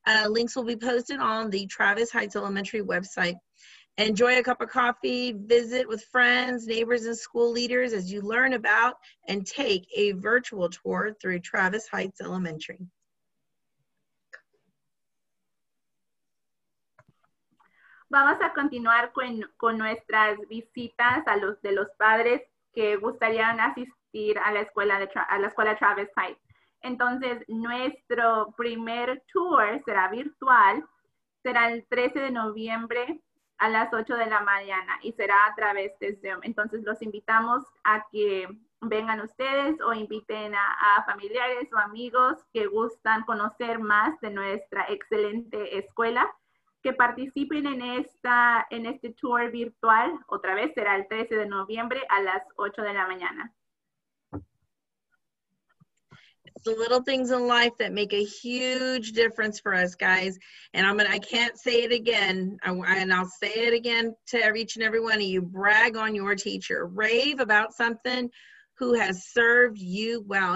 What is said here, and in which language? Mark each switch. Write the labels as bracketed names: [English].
[English] Links will be posted on the Travis Heights Elementary website. Enjoy a cup of coffee, visit with friends, neighbors, and school leaders as you learn about and take a virtual tour through Travis Heights Elementary. [Spanish] Vamos a continuar con nuestras visitas a los de los padres que gustarían asistir a la escuela Travis Heights. Entonces, nuestro primer tour será virtual, será el 13 de noviembre a las 8 de la mañana y será a través de Zoom. Entonces los invitamos a que vengan ustedes o inviten a familiares o amigos que gustan conocer más de nuestra excelente escuela, que participen en este tour virtual. Otra vez será el 13 de noviembre a las 8 de la mañana. [English] It's the little things in life that make a huge difference for us, guys. And I'm gonna, I can't say it again. I'll say it again to each and every one of you. Brag on your teacher. Rave about something who has served you well.